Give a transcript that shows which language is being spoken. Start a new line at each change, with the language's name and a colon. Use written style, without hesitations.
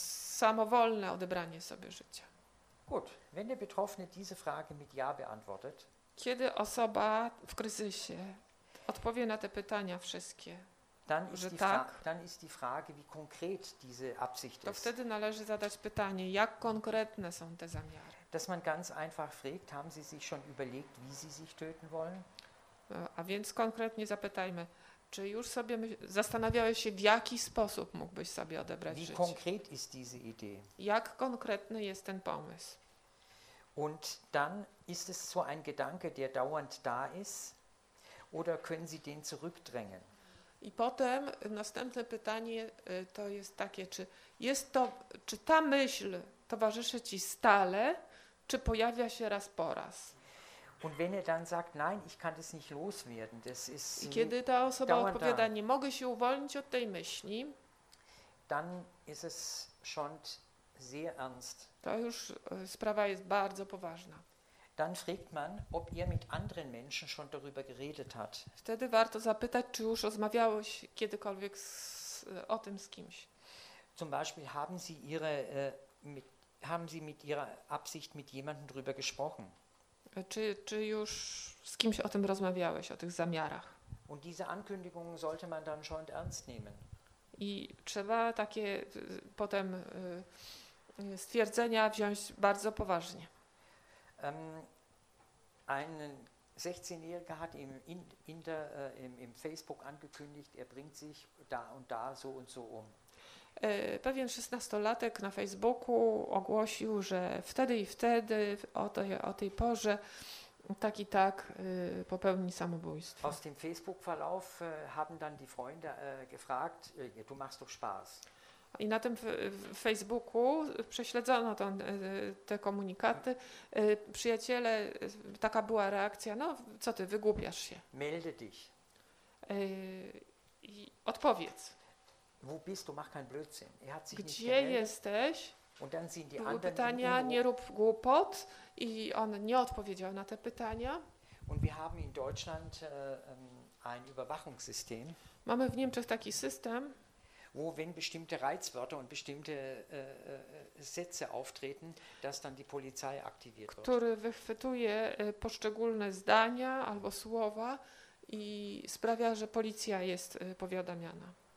Polish: Samowolne odebranie sobie życia.
German: Gut, wenn der Betroffene diese Frage mit Ja beantwortet.
Polish: Kiedy osoba w kryzysie odpowie na te pytania wszystkie.
German: Dann ist die Frage, wie konkret diese Absicht ist.
Polish: To wtedy należy zadać pytanie, jak konkretne są te zamiary.
German: Dass man ganz einfach fragt, haben Sie sich schon überlegt, wie Sie sich töten wollen?
Polish: A więc konkretnie zapytajmy, czy już sobie zastanawiałeś się, w jaki sposób mógłbyś sobie odebrać życie?
German: Wie konkret ist diese Idee?
Polish: Jak konkretny jest ten pomysł?
German: Und dann ist es so ein Gedanke, der dauernd da ist, oder können Sie den zurückdrängen?
Polish: I potem następne pytanie to jest takie, czy ta myśl towarzyszy ci stale, czy pojawia się raz po raz?
German: Und wenn er dann sagt, nein, ich kann das nicht loswerden, das ist
Polish: i kiedy ta osoba odpowiada, nie mogę się uwolnić od tej myśli,
German: dann ist es schon sehr ernst.
Polish: To już sprawa jest bardzo poważna.
German: Dann fragt man, ob er mit anderen Menschen schon darüber geredet hat.
Polish: Wtedy warto zapytać, czy już rozmawiałeś kiedykolwiek o tym z kimś.
German: Zum Beispiel haben Sie ihre haben Sie mit ihrer Absicht mit jemandem drüber gesprochen?
Polish: Czy już z kimś o tym rozmawiałeś, o tych zamiarach?
German: Und diese Ankündigung sollte man dann schon ernst nehmen.
Polish: I trzeba takie potem stwierdzenia wziąć bardzo poważnie.
German: Ein 16-Jähriger hat im Facebook angekündigt, er bringt sich da und da so und so um.
Polish: Pewien 16-latek na Facebooku ogłosił, że wtedy i wtedy, o tej porze, tak i tak popełni samobójstwo.
German: Aus dem Facebook-Verlauf haben dann die Freunde gefragt, du machst doch Spaß.
Polish: I na tym Facebooku prześledzono te komunikaty. Przyjaciele, taka była reakcja, no co ty, wygłupiasz się.
German: Melde dich.
Polish: I odpowiedz.
German: Wo bist du? Mach keinen Blödsinn. Er hat sich
Polish: gdzie
German: nicht
Polish: jesteś?
German: Und dann sind die anderen
Polish: pytania, nie rób głupot. I on nie odpowiedział na te pytania.
German: Und wir haben in Deutschland ein Überwachungssystem.
Polish: Mamy w Niemczech taki system,
German: wo wenn bestimmte Reizwörter und bestimmte Sätze auftreten, dass dann die Polizei aktiviert wird.
Polish: Który wychwytuje poszczególne zdania albo słowa i sprawia, że policja jest powiadamiana.